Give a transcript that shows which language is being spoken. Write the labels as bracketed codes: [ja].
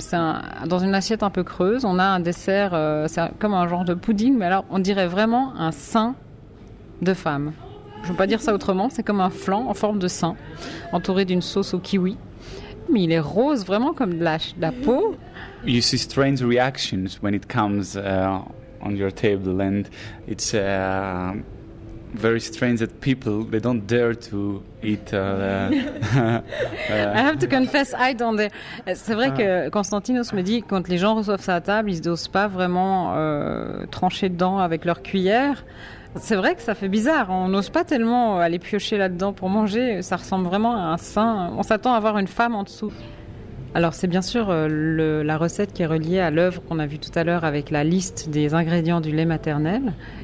[fr] C'est dans une assiette un peu creuse. On a un dessert, c'est comme un genre de pudding, mais alors on dirait vraiment un sein de femme. Je ne veux pas dire ça autrement. C'est comme un flan en forme de sein, entouré d'une sauce au kiwi. Mais il est rose, vraiment comme de la peau. [en] You see strange reactions when it comes on your table, and it's very strange that people, they don't dare to eat. I have to confess, I don't dare. [fr] C'est vrai que Constantinos me dit, quand les gens reçoivent ça à table, ils n'osent pas vraiment trancher dedans avec leur cuillère. C'est vrai que ça fait bizarre. On n'ose pas tellement aller piocher là-dedans pour manger. Ça ressemble vraiment à un sein. On s'attend à voir une femme en dessous. Alors c'est bien sûr la recette qui est reliée à l'œuvre qu'on a vue tout à l'heure avec la liste des ingrédients du lait maternel.